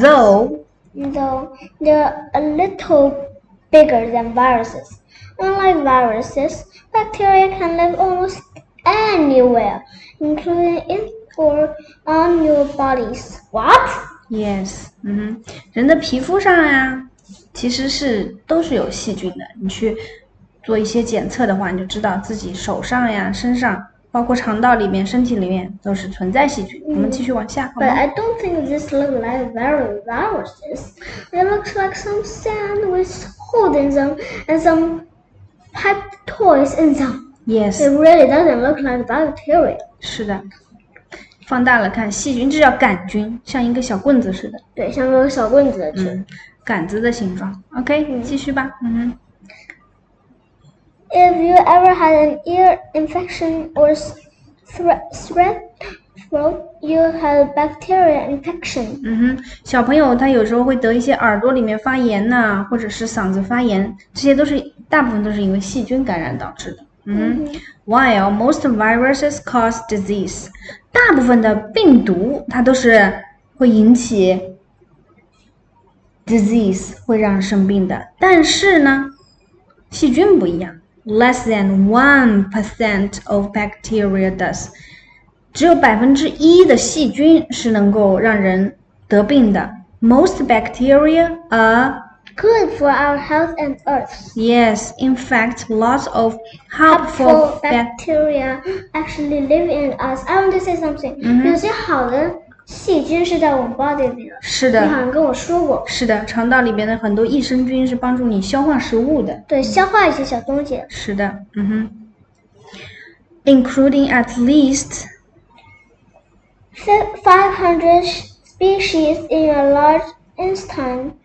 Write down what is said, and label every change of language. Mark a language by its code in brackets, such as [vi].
[en] Though they're a little bigger than viruses. Unlike viruses, bacteria can live almost anywhere, including in or on your bodies. What? Yes. [zh] 人的皮肤上呀。其实是都是有细菌的，你去做一些检测的话，你就知道自己手上呀、身上，包括肠道里面、身体里面都是存在细菌。我们继续往下。 [en] But I don't think this looks like very viruses. It looks like some sand with holes in them and some pipe toys in them. Yes. It really doesn't look like bacteria. [zh] 是的。放大了看，细菌这叫杆菌，像一个小棍子似的。对，像个小棍子的菌。杆子的形状。OK, 继续吧。 [en] If you ever had an ear infection or sore throat, you had bacteria infection. [zh] 小朋友他有时候会得一些耳朵里面发炎呐、啊，或者是嗓子发炎，这些都是大部分都是因为细菌感染导致的。 [en] While most viruses cause disease, [zh] 大部分的病毒它都是会引起 disease, 会让生病的。但是呢，细菌不一样。 [en] Less than 1% of bacteria does. [zh] 只有1%的细菌是能够让人得病的。 [en] Most bacteria are... Good for our health and earth. Yes, in fact, lots of helpful bacteria actually live in us. I want to say something. [zh] 有些好的细菌是在我们 body 里的。是的。你好像跟我说过。是的，肠道里边的很多益生菌是帮助你消化食物的。对，消化一些小东西。是的， [en] Including at least 500 species in a large intestine.